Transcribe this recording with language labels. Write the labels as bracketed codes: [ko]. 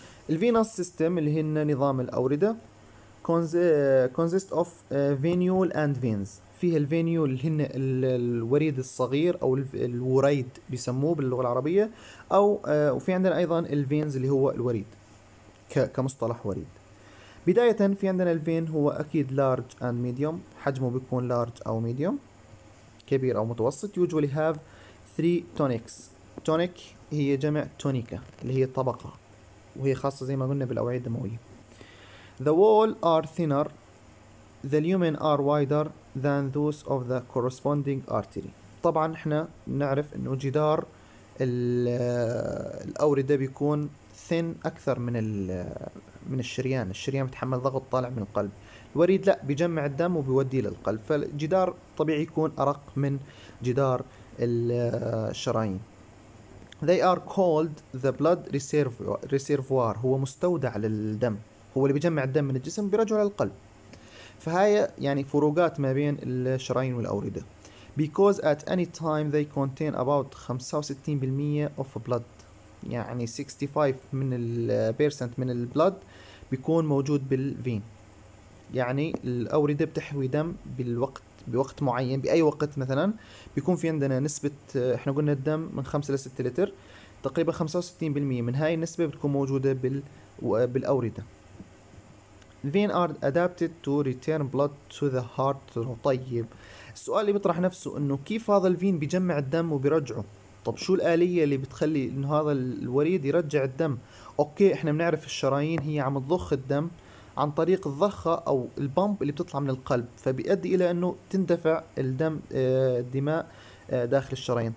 [ar] الفينوس سيستم اللي هن نظام الأوردة [en] consists of venule and veins، [ar] فيها الفينيول اللي هن الوريد الصغير أو الوريد بيسموه باللغة العربية، أو وفي عندنا أيضا الفينز اللي هو الوريد كمصطلح وريد. بداية في عندنا الفين هو أكيد large and medium، حجمه بيكون large أو medium، كبير أو متوسط. [en] usually have three tonics، [ar] tonic هي جمع تونيكا اللي هي طبقة، وهي خاصة زي ما قلنا بالأوعية الدموية. [en] the wall are thinner، the lumen are wider than those of the corresponding artery. [ar] طبعا احنا نعرف انه جدار الأوردة بيكون thin أكثر من الشريان، الشريان بتحمل ضغط طالع من القلب، الوريد لا بيجمع الدم وبيوديه للقلب، فالجدار طبيعي يكون أرق من جدار الشرايين. [en] they are called the blood reservoir، [ar] هو مستودع للدم، هو اللي بيجمع الدم من الجسم بيرجع للقلب. فهاي يعني فروقات ما بين الشرايين والأوردة. [en] because at any time they contain about 65% of blood، [ar] يعني 65% من البلد بيكون موجود بالفين، يعني الأوردة بتحوي دم بوقت معين، بأي وقت مثلا بيكون في عندنا نسبة، احنا قلنا الدم من 5 لـ 6 لتر، تقريبا 65% من هاي النسبة بتكون موجودة بالأوردة. [en] vein are adapted to return blood to the heart. [ar] طيب السؤال اللي بيطرح نفسه انه كيف هذا الفين بيجمع الدم وبيرجعه، طب شو الآلية اللي بتخلي انه هذا الوريد يرجع الدم؟ اوكي احنا بنعرف الشرايين هي عم تضخ الدم عن طريق الضخة او البمب اللي بتطلع من القلب، فبيؤدي الى انه تندفع الدم الدماء داخل الشرايين.